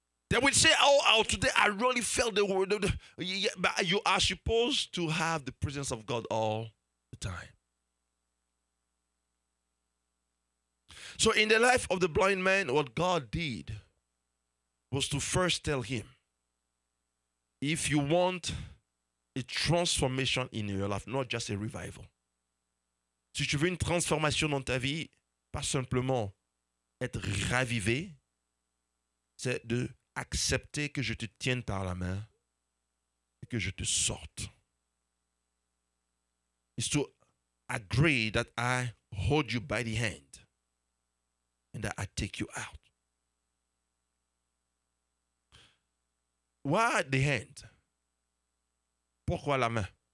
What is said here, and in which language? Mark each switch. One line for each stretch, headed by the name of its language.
English: They will say, oh, today I really felt the word. Yeah, but you are supposed to have the presence of God all the time. So in the life of the blind man, what God did was to first tell him, if you want a transformation in your life, not just a revival.
French: Si tu veux une transformation dans ta vie, pas simplement être ravivé, c'est de accepter que je te tienne par la main et que je te sorte.
English: It's to agree that I hold you by the hand and that I take you out. Why the hand?
French: Pourquoi la main?